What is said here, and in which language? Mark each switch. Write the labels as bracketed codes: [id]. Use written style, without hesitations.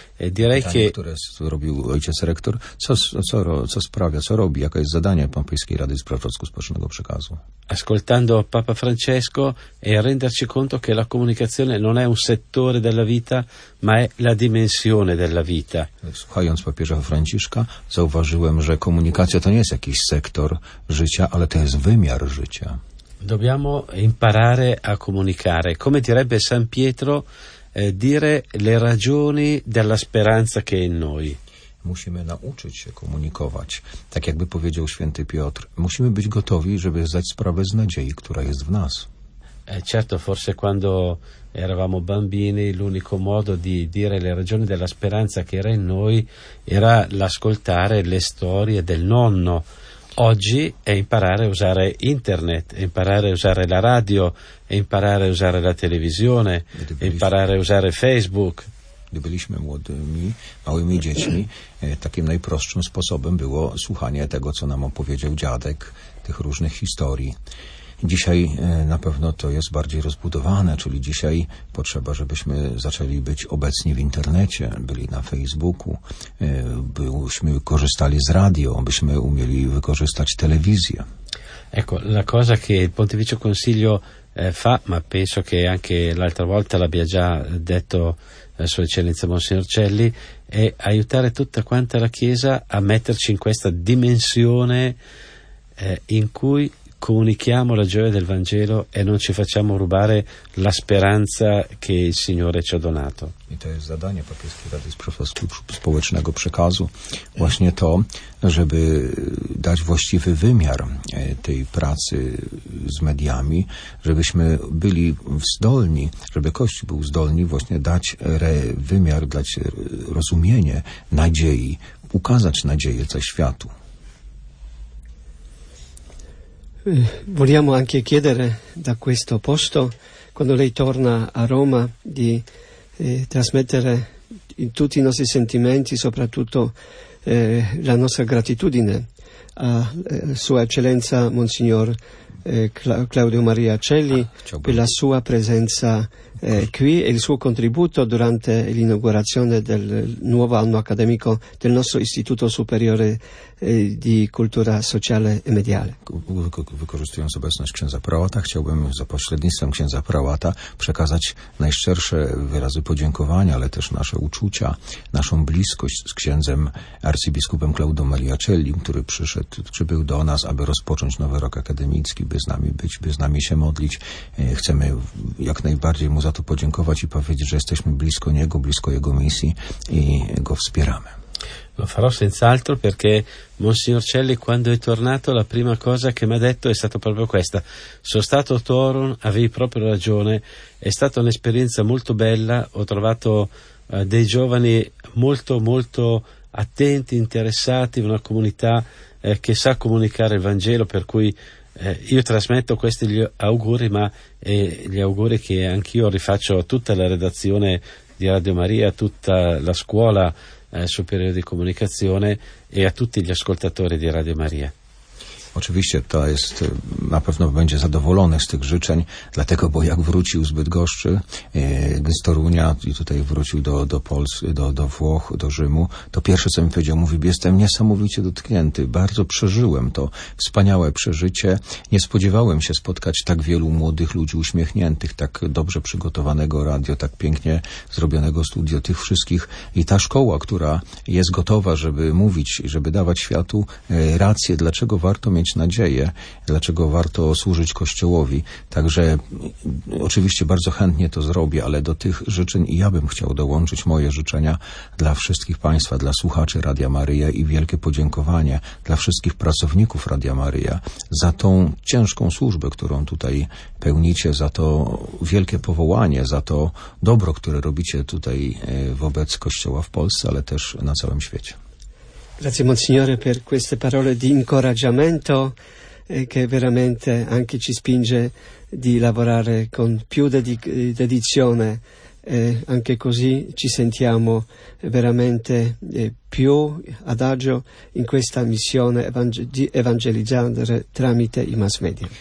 [it] Direi che [pl] robił ojciec rektor, co sprawia, co robi, jaka jest zadanie Papieskiej Rady Spraw Społecznego Przekazu. [it] Ascoltando Papa Francesco e renderci conto che la comunicazione non è un settore della vita, ma è la dimensione della vita. [pl] Słuchając papieża Franciszka, zauważyłem, że komunikacja to nie jest jakiś sektor życia, ale to jest wymiar życia. [it] Dobbiamo imparare a comunicare, come direbbe San Pietro, dire le ragioni della speranza che è in noi. [pl] Musimy nauczyć się komunikować, tak jakby powiedział święty Piotr. Musimy być gotowi, żeby zdać sprawę z nadziei, która jest w nas. [it] Certo, forse quando eravamo bambini l'unico modo di dire le ragioni della speranza che era in noi era l'ascoltare le storie del nonno. Oggi è imparare a usare internet, è imparare a usare la radio, è imparare a usare la televisione, è imparare a usare Facebook. [pl] Gdy byliśmy młodymi, małymi dziećmi, takim najprostszym sposobem było słuchanie tego, co nam opowiedział dziadek, tych różnych historii. Dzisiaj na pewno to jest bardziej rozbudowane, czyli dzisiaj potrzeba, żebyśmy zaczęli być obecni w internecie, byli na Facebooku, byśmy korzystali z radio, byśmy umieli wykorzystać telewizję. [it] Ecco, la cosa che il Pontificio Consiglio fa, ma penso che anche l'altra volta l'abbia già detto Sua Eccellenza Monsignor Celli, è aiutare tutta quanta la Chiesa a metterci in questa dimensione in cui comunichiamo la gioia del Vangelo e non ci facciamo rubare la speranza che il Signore ci ha donato. [pl] I to jest zadanie papieskiej Rady Społecznego Przekazu, właśnie to, żeby dać właściwy wymiar tej pracy z mediami, żebyśmy byli zdolni, żeby Kościół był zdolny właśnie dać wymiar, dać rozumienie nadziei, ukazać nadzieję ze światu. [it] Vogliamo anche chiedere da questo posto, quando lei torna a Roma, di trasmettere in tutti i nostri sentimenti, soprattutto la nostra gratitudine a Sua Eccellenza Monsignor Claudio Maria Celli per la sua presenza qui e il suo contributo durante l'inaugurazione del nuovo anno accademico del nostro Istituto Superiore di Cultura Sociale e Mediale. [pl] Wykorzystując obecność księdza prałata, chciałbym za pośrednictwem księdza prałata przekazać najszczersze wyrazy podziękowania, ale też nasze uczucia, naszą bliskość z księdzem arcybiskupem Claudio Maria Celli, który przyszedł, przybył do nas, aby rozpocząć nowy rok akademicki, by z nami być, by z nami się modlić. Chcemy jak najbardziej mu za to podziękować i powiedzieć, że jesteśmy blisko niego, blisko jego misji i go wspieramy. [it] Lo farò senz'altro perché Monsignor Celli, quando è tornato, la prima cosa che mi ha detto è stata proprio questa. Sono stato a Toron, avevi proprio ragione, è stata un'esperienza molto bella, ho trovato dei giovani molto molto attenti, interessati, una comunità che sa comunicare il Vangelo, per cui io trasmetto questi gli auguri, ma gli auguri che anch'io rifaccio a tutta la redazione di Radio Maria, a tutta la scuola superiore di comunicazione e a tutti gli ascoltatori di Radio Maria. [pl] Oczywiście to jest, na pewno będzie zadowolony z tych życzeń, dlatego, bo jak wrócił z Bydgoszczy, z Torunia i tutaj wrócił do Polski, do Włoch, do Rzymu, to pierwsze, co mi powiedział, mówi, jestem niesamowicie dotknięty, bardzo przeżyłem to, wspaniałe przeżycie, nie spodziewałem się spotkać tak wielu młodych ludzi uśmiechniętych, tak dobrze przygotowanego radio, tak pięknie zrobionego studio, tych wszystkich i ta szkoła, która jest gotowa, żeby mówić, żeby dawać światu rację, dlaczego warto mieć nadzieję, dlaczego warto służyć Kościołowi. Także oczywiście bardzo chętnie to zrobię, ale do tych życzeń i ja bym chciał dołączyć moje życzenia dla wszystkich Państwa, dla słuchaczy Radia Maryja i wielkie podziękowanie dla wszystkich pracowników Radia Maryja za tą ciężką służbę, którą tutaj pełnicie, za to wielkie powołanie, za to dobro, które robicie tutaj wobec Kościoła w Polsce, ale też na całym świecie. [it] Grazie Monsignore per queste parole di incoraggiamento che veramente anche ci spinge di lavorare con più dedizione. Anche così ci sentiamo veramente più ad agio in questa missione di evangelizzare tramite i mass media.